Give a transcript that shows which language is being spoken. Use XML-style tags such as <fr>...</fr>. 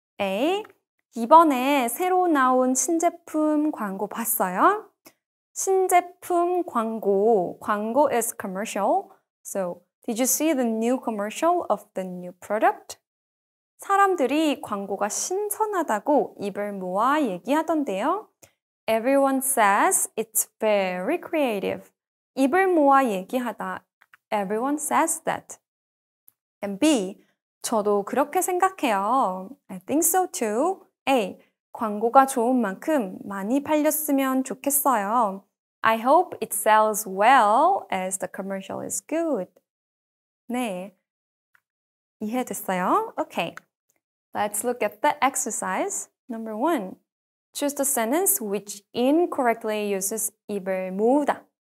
<ko>A, 이번에 새로 나온 신제품 광고 봤어요? 신제품 광고. 광고</ko> <en>is commercial. So, did you see the new commercial of the new product?</en> <ko>사람들이 광고가 신선하다고 입을 모아 얘기하던데요.</ko> <en>Everyone says it's very creative.</en> <ko>입을 모아 얘기하다.</ko> <en>Everyone says that. And B,</en> <ko>저도 그렇게 생각해요.</ko> <en>I think so too.</en> <ko>A, 광고가 좋은 만큼 많이 팔렸으면 좋겠어요.</ko> <en>I hope it sells well as the commercial is good.</en> <ko>네, 이해됐어요?</ko> <en>Okay, let's look at the exercise. Number one, choose the sentence which incorrectly uses 입을 모으다.</en>